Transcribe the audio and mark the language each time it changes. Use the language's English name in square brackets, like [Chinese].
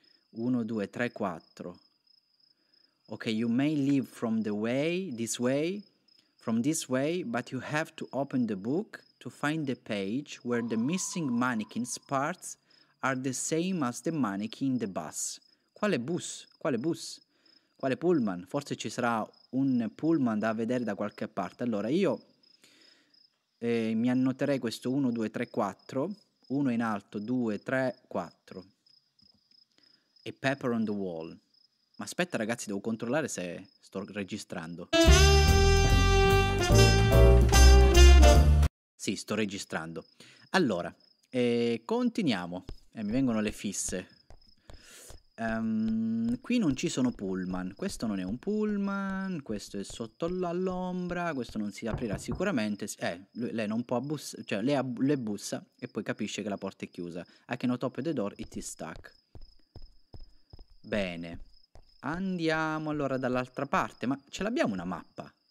[Italian] 1, 2, 3, 4. [English] Ok, you may leave from the way, this way, from this way, but you have to open the book to find the page where the missing mannequin's parts are the same as the mannequin in the bus. [Italian] Quale bus? Quale bus? Quale pullman? Forse ci sarà un pullman da vedere da qualche parte. Allora, io mi annoterei questo 1, 2, 3, 4. 1 in alto, 2, 3, 4. E [English] paper on the wall. [Italian] Ma aspetta, ragazzi, devo controllare se sto registrando. Sì, sto registrando. Allora, continuiamo. Mi vengono le fisse. Qui non ci sono pullman. Questo non è un pullman. Questo è sotto all'ombra. Questo non si aprirà sicuramente. Lei non può bussare. Cioè, le bussa e poi capisce che la porta è chiusa. [English] I cannot open the door, it is stuck. [Italian] Bene. Andiamo allora dall'altra parte. Ma ce l'abbiamo una mappa?